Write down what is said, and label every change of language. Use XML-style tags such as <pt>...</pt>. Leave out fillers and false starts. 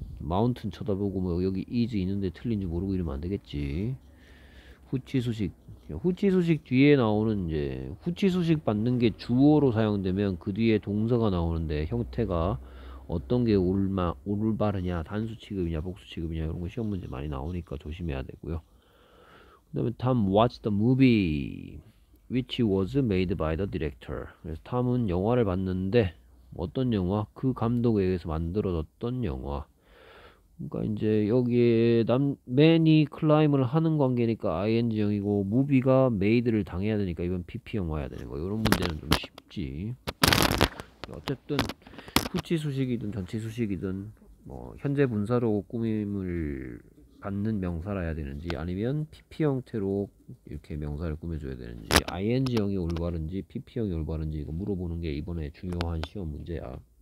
<ko>마운틴 쳐다보고 뭐 여기 is 있는데 틀린지 모르고 이러면 안 되겠지. 후치 수식 뒤에 나오는 이제 후치 수식 받는 게 주어로 사용되면 그 뒤에 동사가 나오는데 형태가 어떤 게 올바르냐, 단수 취급이냐, 복수 취급이냐 이런 거 시험 문제 많이 나오니까 조심해야 되고요.</ko> <en>그다음에 Tom watched the movie which was made by the director.</en> <ko>그래서 Tom은 영화를 봤는데 어떤 영화? 그 감독에 의해서 만들어졌던 영화. 그러니까 이제 여기에 맨이 클라임을 하는 관계니까 ing형이고 무비가 메이드를 당해야 되니까 이건 pp형 와야 되는 거. 이런 문제는 좀 쉽지. 어쨌든 후치 수식이든 전치 수식이든 뭐 현재 분사로 꾸밈을 받는 명사라 해야 되는지 아니면 pp 형태로 이렇게 명사를 꾸며줘야 되는지 ing형이 올바른지 pp형이 올바른지 이거 물어보는 게 이번에 중요한 시험 문제야.</ko>